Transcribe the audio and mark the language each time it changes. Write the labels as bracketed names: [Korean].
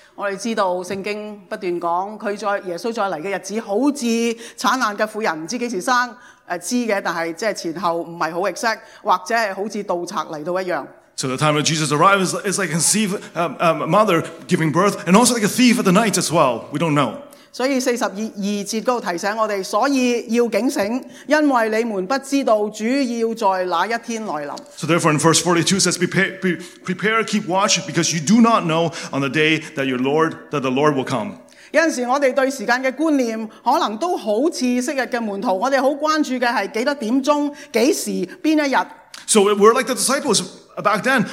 [Cantonese] 我哋知道聖經不斷講佢在耶穌再嚟嘅日子，好似產難嘅婦人唔知幾時生。知嘅，但係即係前後唔係好 exact， 或者係好似盜賊嚟到一樣。 [English] So the time that Jesus arrives is like a thief, mother giving birth, and also like a thief at the night as well. We don't know. [Cantonese] 所以42節嗰度提醒我哋，所以要警醒，因為你們不知道主要在哪一天來臨。 [English] So therefore, in verse 42 says, prepare, keep watch, because you do not know on the day that your Lord, that the Lord will come. [Cantonese] 有陣時我哋對時間嘅觀念可能都好似昔日嘅門徒，我哋好關注嘅係幾多點鐘、幾時、邊一日。 [English] So we're like the disciples back then.